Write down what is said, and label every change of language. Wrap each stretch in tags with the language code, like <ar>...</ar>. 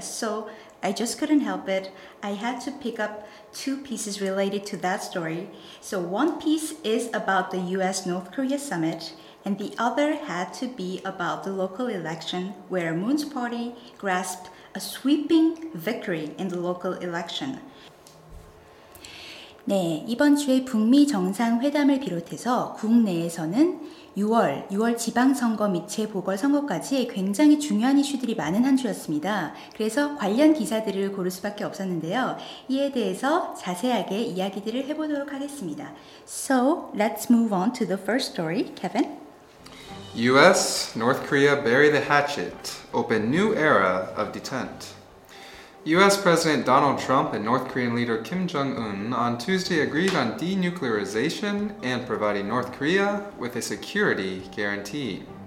<en>So I just couldn't help it. I had to pick up two pieces related to that story. So one piece is about the US-North Korea summit, and the other had to be about the local election where Moon's party grasped a sweeping victory in the local election.</en> <ko>네, 이번 주에 북미 정상회담을 비롯해서 국내에서는 6월, 6월 지방선거 및 재보궐선거까지 굉장히 중요한 이슈들이 많은 한 주였습니다. 그래서 관련 기사들을 고를 수밖에 없었는데요. 이에 대해서 자세하게 이야기들을 해보도록 하겠습니다.</ko> <en>So, let's move on to the first story, Kevin. US, North Korea bury the hatchet, open new era of detente. U.S. President Donald Trump and North Korean leader Kim Jong-un on Tuesday agreed on denuclearization and providing North Korea with a security guarantee.</en>